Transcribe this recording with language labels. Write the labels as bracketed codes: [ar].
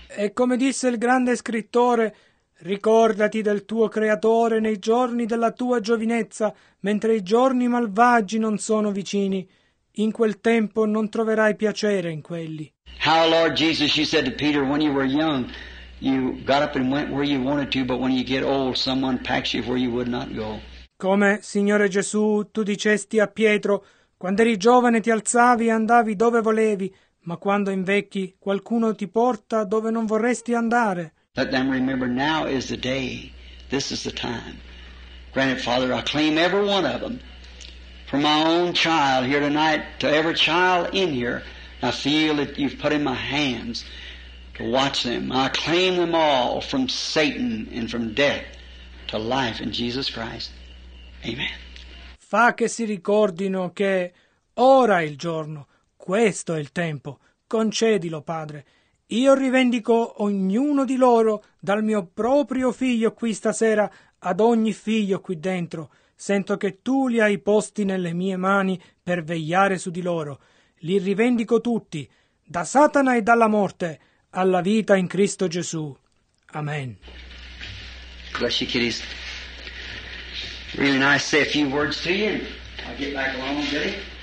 [it] E come disse il grande scrittore, ricordati del tuo creatore nei giorni della tua giovinezza, mentre i giorni malvagi non sono vicini. In quel tempo non troverai piacere in quelli. [en] How, Lord Jesus, you said to Peter, when you were young, you got up and went where you wanted to, but when you get old, someone packs you where you would not go. [it] Come, Signore Gesù, tu dicesti a Pietro, quando eri giovane ti alzavi e andavi dove volevi, ma quando invecchi qualcuno ti porta dove non vorresti andare. [en] Let them remember now is the day, this is the time. Granted, Father, I claim every one of them for my own child here tonight, to every child in here. I feel that you've put in my hands to watch them. I claim them all from Satan and from death to life in Jesus Christ. Amen. [it] Fa che si ricordino che ora è il giorno, questo è il tempo. Concedilo, Padre. Io rivendico ognuno di loro dal mio proprio figlio qui stasera ad ogni figlio qui dentro. Sento che tu li hai posti nelle mie mani per vegliare su di loro. Li rivendico tutti, da Satana e dalla morte, alla vita in Cristo Gesù. Amen. [en] Bless you, kiddies. Really nice to say a few words to you. I'll get back along, Billy.